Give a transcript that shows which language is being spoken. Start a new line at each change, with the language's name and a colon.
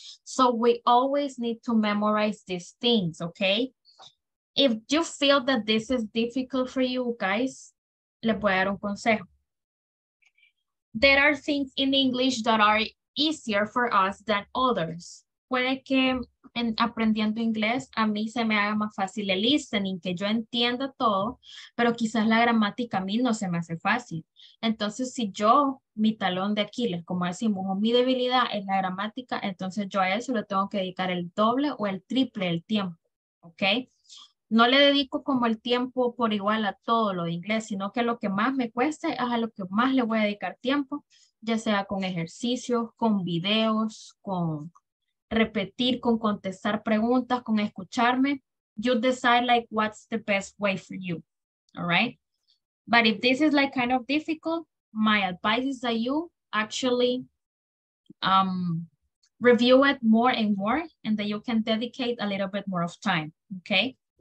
English: So we always need to memorize these things, okay? If you feel that this is difficult for you guys,
Spanish: le voy a dar un consejo.
English: There are things in English that are easier for us than others.
Spanish: Puede que en aprendiendo inglés a mí se me haga más fácil el listening, que yo entienda todo, pero quizás la gramática a mí no se me hace fácil. Entonces, si yo, mi talón de Aquiles, como decimos, o mi debilidad es la gramática, entonces yo a eso le tengo que dedicar el doble o el triple del tiempo, ¿ok? No le dedico como el tiempo por igual a todo lo de inglés, sino que lo que más me cueste es a lo que más le voy a dedicar tiempo, ya sea con ejercicios, con videos, con repetir, con contestar preguntas, con escucharme.
English: You decide like what's the best way for you, all right? But if this is like kind of difficult, my advice is that you actually review it more and more and that you can dedicate a little bit more of time, okay?